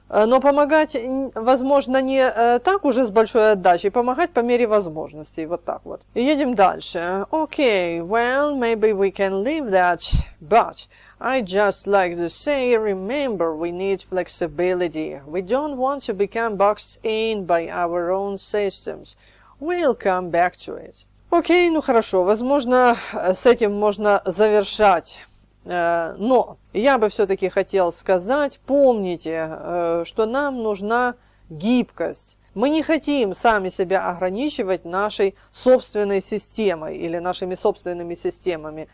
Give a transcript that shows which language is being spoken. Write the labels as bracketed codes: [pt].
[ru] Но помогать, возможно, не так уже с большой отдачей, помогать по мере возможностей, вот так вот. Едем дальше. [en] Okay, well, maybe we can leave that, but I'd just like to say, remember, we need flexibility. We don't want to become boxed in by our own systems. We'll come back to it. [ru] Окей, ну хорошо, возможно, с этим можно завершать. Но я бы все-таки хотел сказать, помните, что нам нужна гибкость. Мы не хотим сами себя ограничивать нашей собственной системой или нашими собственными системами.